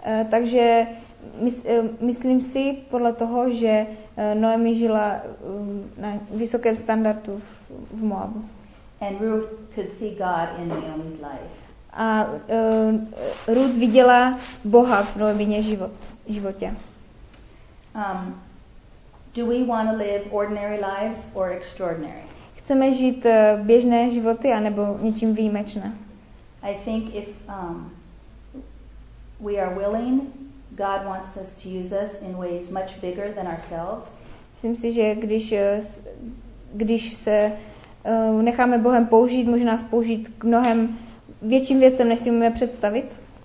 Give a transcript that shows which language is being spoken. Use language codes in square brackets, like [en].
[cs] Takže myslím si podle toho, že Noemi žila na vysokém standardu v Moabu. [en] And Ruth could see God in Naomi's life. [cs] A Ruth viděla Boha v Noemině životě. [en] Do we want to live ordinary lives or extraordinary? [cs] Chceme žít běžné životy anebo něčím výjimečné? [en] I think if we are willing, God wants us to use us in ways much bigger than ourselves. [cs] Myslím si, že když se necháme Bohem použít, může nás použít k mnohem větším věcem, než si můžeme představit.